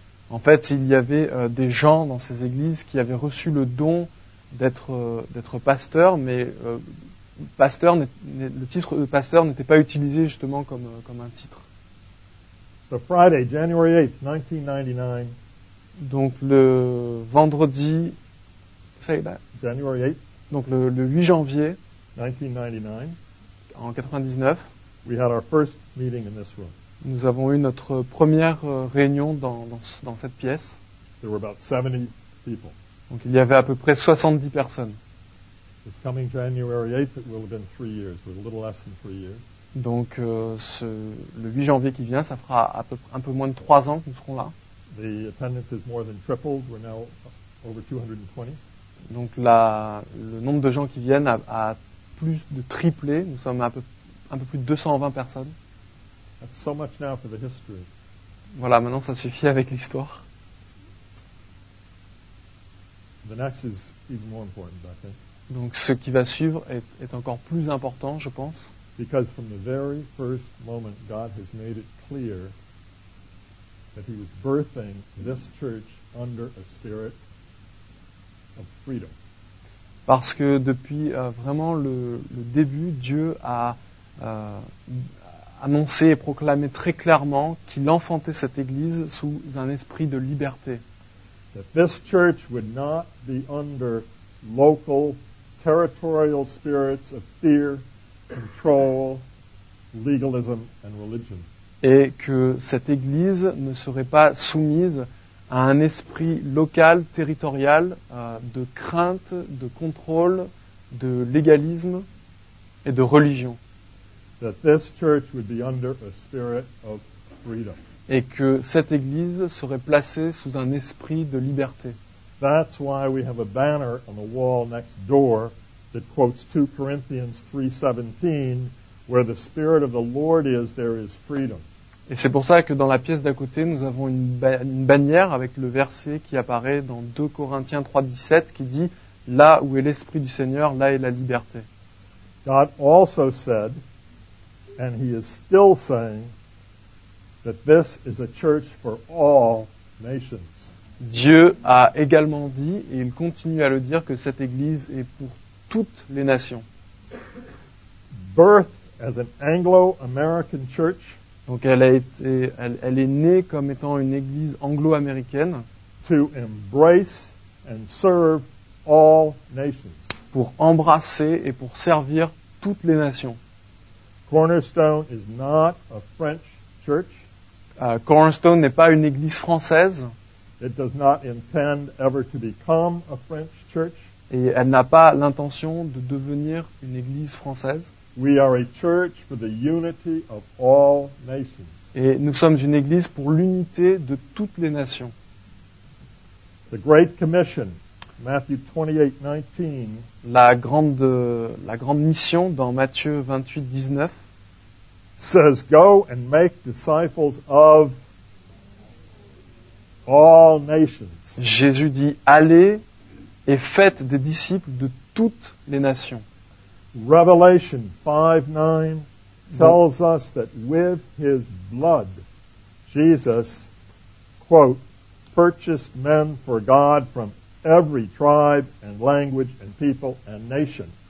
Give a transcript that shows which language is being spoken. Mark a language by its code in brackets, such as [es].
[fr] En fait, il y avait des gens dans ces églises qui avaient reçu le don d'être pasteur, mais le titre de pasteur n'était pas utilisé justement comme un titre. [en] So Friday, January 8th, 1999. [fr] Donc le vendredi, [en] say that. January 8th. [fr] Donc le 8 janvier 1999. En 99. [en] We had our first meeting in this room. [fr] Nous avons eu notre première réunion dans cette pièce. [en] There were about 70 people. [fr] Donc il y avait à peu près 70 personnes. [en] This coming January 8th, it will have been 3 years, with a little less than 3 years. [fr] Donc le 8 janvier qui vient, ça fera un peu moins de 3 ans que nous serons là. [en] The attendance is more than tripled. We're now over 220. [fr] Donc le nombre de gens qui viennent a plus de triplé. Nous sommes à un peu plus de 220 personnes. [en] That's so much now for the history. [fr] Voilà, maintenant ça suffit avec l'histoire. [en] The next is even more important, I think. [fr] Donc ce qui va suivre est encore plus important, je pense. [en] Because from the very first moment, God has made it clear that he was birthing this church under a spirit of freedom. [fr] Parce que depuis vraiment le début, Dieu a annoncé et proclamé très clairement qu'il enfantait cette église sous un esprit de liberté. [en] That this church would not be under local, territorial spirits of fear, control, legalism, and religion. [fr] et que cette Église ne serait pas soumise à un esprit local, territorial, de crainte, de contrôle, de légalisme et de religion. [en] That this church would be under a spirit of freedom. [fr] Et que cette Église serait placée sous un esprit de liberté. [en] That's why we have a banner on the wall next door that quotes 2 Corinthians 3:17, where the Spirit of the Lord is, there is freedom. [fr] Et c'est pour ça que dans la pièce d'à côté, nous avons une bannière avec le verset qui apparaît dans 2 Corinthiens 3:17 qui dit « Là où est l'Esprit du Seigneur, là est la liberté. » [en] God also said, and he is still saying, that this is a church for all nations. [fr] Dieu a également dit, et il continue à le dire, que cette Église est pour toutes les nations. [en] Birthed as an Anglo-American church. [fr] Donc elle est née comme étant une église anglo-américaine [en] to embrace and serve all nations. [fr] Pour embrasser et pour servir toutes les nations. [en] Cornerstone is not a French church. [fr] Cornerstone n'est pas une église française. [en] It does not intend ever to become a French church. [fr] Et elle n'a pas l'intention de devenir une église française. [en] We are a church for the unity of all nations. [fr] Et nous sommes une église pour l'unité de toutes les nations. [en] The Great Commission, Matthew 28:19. [fr] La grande mission dans Matthieu 28:19 [en] says, "Go and make disciples of all nations." [fr] Jésus dit, allez et faites des disciples de toutes les nations. [en] Revelation 5:9 tells us that with his blood, Jesus, quote, purchased men for God from every tribe and language and people and nation.